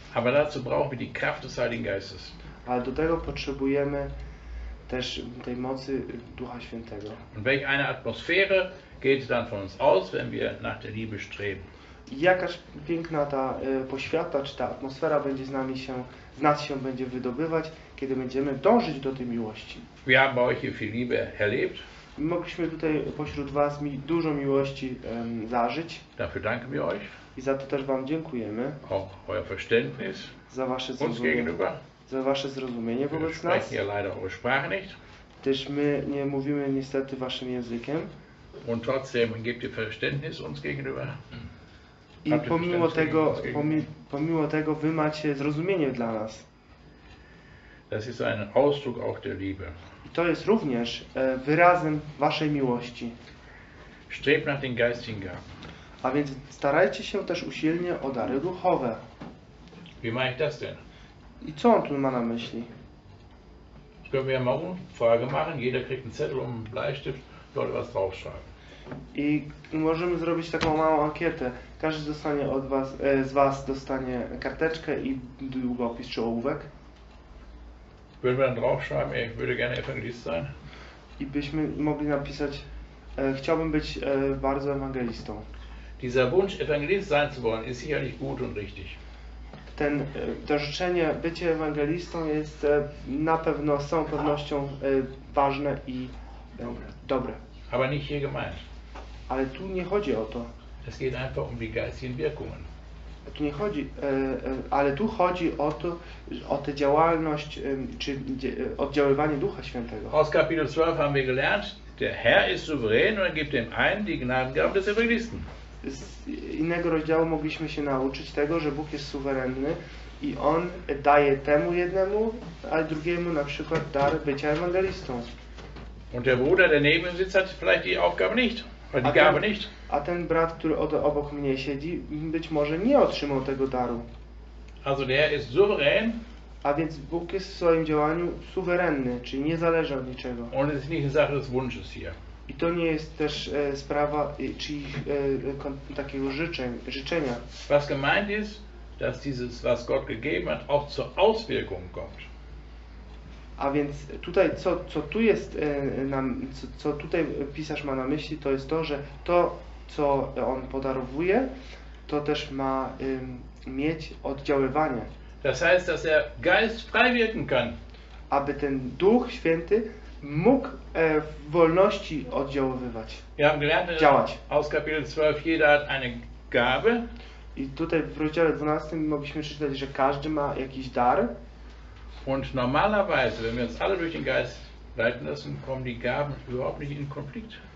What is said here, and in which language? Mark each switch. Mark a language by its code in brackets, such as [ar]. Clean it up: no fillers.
[de] Aber dazu brauchen wir die Kraft des Heiligen Geistes. [pl] Ale do tego potrzebujemy też tej mocy Ducha Świętego. [de] Und welch eine Atmosphäre geht dann von uns aus, wenn wir nach der Liebe streben? [pl] Jakaż piękna ta poświata, czy ta atmosfera będzie z nami się, z nas się będzie wydobywać, kiedy będziemy dążyć do tej miłości. [de] Wir haben bei euch hier viel Liebe erlebt. [pl] Mogliśmy tutaj pośród was dużo miłości zażyć. [de] Dafür danken wir euch. [pl] I za to też wam dziękujemy. [de] Auch euer Verständnis. [pl] Za wasze zrozumienie. Za wasze zrozumienie wobec nas. [de] Wir sprechen leider eure Sprache nicht. [pl] Też my nie mówimy niestety waszym językiem. [de] Und trotzdem gebt ihr Verständnis uns gegenüber. [pl] I pomimo tego wy macie zrozumienie dla nas. [de] Das ist ein Ausdruck auch der Liebe. [pl] I to jest również wyrazem waszej miłości. [de] Strebt nach den geistigen Gaben. [pl] A więc starajcie się też usilnie o dary duchowe. [de] Wie mache ich das denn? [pl] I co on tu ma na myśli? [de] Können wir morgen Frage machen. Jeder kriegt einen Zettel und einen Bleistift, dort was draufschreiben. [pl] I możemy zrobić taką małą ankietę. Każdy dostanie od was, z was dostanie karteczkę i długopis czy ołówek. [de] Würden wir dann draufschreiben, ich würde gerne Evangelist sein. [pl] I byśmy mogli napisać, chciałbym być bardzo ewangelistą. [de] Dieser Wunsch, Evangelist sein zu wollen, ist sicherlich gut und richtig. [pl] To życzenie bycie ewangelistą jest na pewno, z całą pewnością ważne i dobre. [de] Aber nicht hier gemeint. [pl] Ale tu nie chodzi o to. [de] Es geht einfach um die geistigen Wirkungen. [pl] Tu nie chodzi, ale tu chodzi o to, o tę działalność, czy oddziaływanie Ducha Świętego. [de] Aus Kapitel 12 haben wir gelernt, der Herr ist souverän und er gibt dem einen die Gnadengabe des Evangelisten. [pl] Z innego rozdziału mogliśmy się nauczyć tego, że Bóg jest suwerenny i On daje temu jednemu, a drugiemu na przykład dar bycia ewangelistą. [de] Und der Bruder, der neben sitzt, hat vielleicht die Aufgabe nicht. [pl] A ten brat, który obok mnie siedzi, być może nie otrzymał tego daru. [de] Also der ist souverän. [pl] A więc Bóg jest w swoim działaniu suwerenny, czyli nie zależy od niczego. [de] Und es ist nicht Sache des Wunsches hier. [pl] I to nie jest też sprawa czyich takiego życzenia. [de] Was gemeint ist, dass dieses, was Gott gegeben hat, auch zur Auswirkung kommt. [pl] A więc tutaj, co tu jest, co tutaj pisarz ma na myśli, to jest to, że to, co on podarowuje, to też ma mieć oddziaływanie. [de] Das heißt, dass der Geist frei wirken kann. [pl] Aby ten Duch Święty mógł w wolności oddziaływać, działać. [de] Aus Kapitel 12, jeder hat eine Gabe. [pl] I tutaj w rozdziale 12 mogliśmy czytać, że każdy ma jakiś dar. [de] Und normalerweise, wenn wir uns alle durch den Geist leiten lassen, kommen die Gaben überhaupt nicht in Konflikt.